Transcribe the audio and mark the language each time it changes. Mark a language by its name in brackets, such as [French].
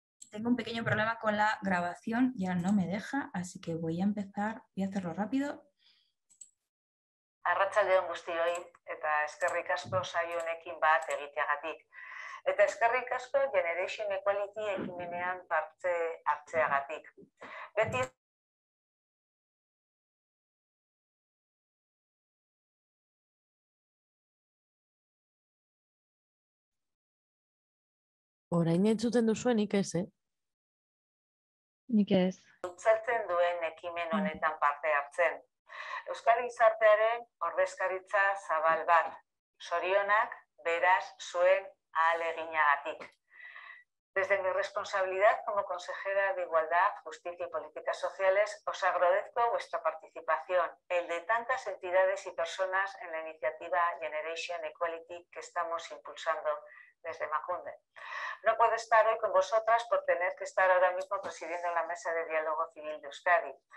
[Spanish] Tengo un pequeño problema con la grabación, ya no me deja, así que voy a empezar, voy a hacerlo rápido. [Basque] Arratsaldeon guztioi, eta eskerrik asko saio honekin bat egiteagatik. Eta eskerrik asko Generation Equality ekimenean parte hartzeagatik. Beti orain entzuten duzuenik ez, eh? Nik ez. Zaltzen duen ekimen honetan parte hartzen. Euskal Gizartearen ordezkaritza zabal bat. Sorionak, beraz, zuen ahaleginagatik. [Spanish] Desde mi responsabilidad como consejera de Igualdad, Justicia y Políticas Sociales, os agradezco vuestra participación, el de tantas entidades y personas en la iniciativa Generation Equality que estamos impulsando desde Emakunde. No puedo estar hoy con vosotras por tener que estar ahora mismo presidiendo la Mesa de Diálogo Civil de Euskadi.